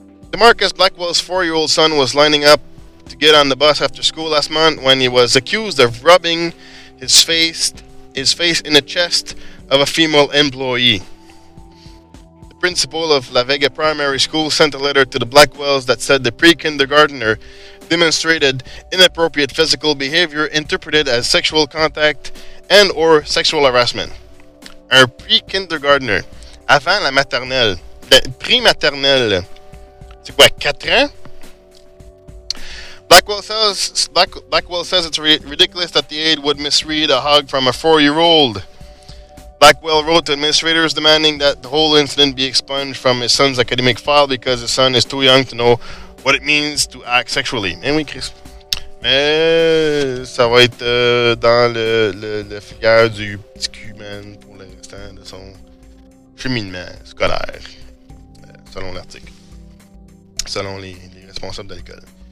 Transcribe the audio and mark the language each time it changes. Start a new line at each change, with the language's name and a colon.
English: DeMarcus Blackwell's 4-year-old son was lining up to get on the bus after school last month when he was accused of rubbing his face in the chest of a female employee. The principal of La Vega Primary School sent a letter to the Blackwells that said the pre-kindergartner demonstrated inappropriate physical behavior interpreted as sexual contact and or sexual harassment.
French: Un pre-kindergartner, avant la maternelle, la pré-maternelle, c'est quoi, 4 ans?
English: Blackwell says it's ridiculous that the aide would misread a hug from a 4-year-old. Blackwell wrote to administrators demanding that the whole incident be expunged from his son's academic file because his son is too young to know what it means to act sexually.
French: Mais oui, Chris. Mais ça va être dans le filière du petit cul, man, pour l'instant, de son cheminement scolaire, selon l'article, selon les responsables de l'école.